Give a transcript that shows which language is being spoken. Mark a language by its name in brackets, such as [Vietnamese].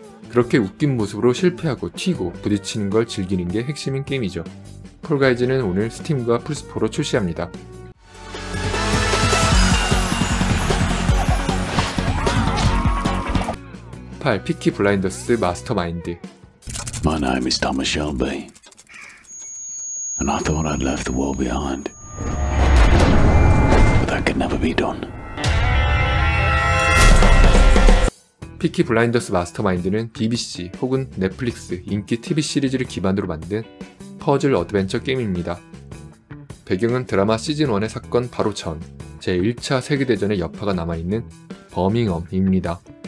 [Korean] 그렇게 웃긴 모습으로 실패하고 튀고 부딪히는 걸 즐기는 게 핵심인 게임이죠. 폴가이즈는 오늘 스팀과 플스4로 출시합니다. 8. 피키 블라인더스 마스터 마인드. [English] My name is Thomas Shelby. And I thought I'd left the world behind. But that could never be done. [Korean] 피키 블라인더스 마스터 마인드는 BBC 혹은 넷플릭스 인기 TV 시리즈를 기반으로 만든 퍼즐 어드벤처 게임입니다. 배경은 드라마 시즌1의 사건 바로 전, 제1차 세계대전의 여파가 남아있는 버밍엄입니다.